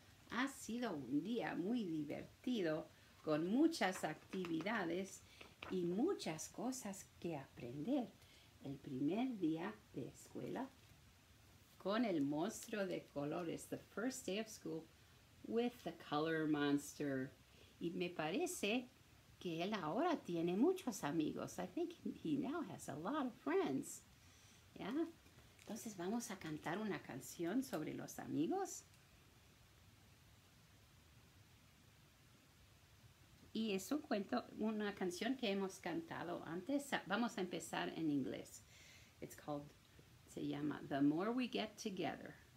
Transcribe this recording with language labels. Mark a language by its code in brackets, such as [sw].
[es] Ha sido un día muy divertido, con muchas actividades y muchas cosas que aprender. El primer día de escuela con el monstruo de colores, [en] the first day of school with the color monster. [es] Y me parece que él ahora tiene muchos amigos. [en] I think he now has a lot of friends. Yeah. [es] Entonces vamos a cantar una canción sobre los amigos. Y es un cuento, una canción que hemos cantado antes. Vamos a empezar en inglés. [en] It's called, [es] se llama The More We Get Together.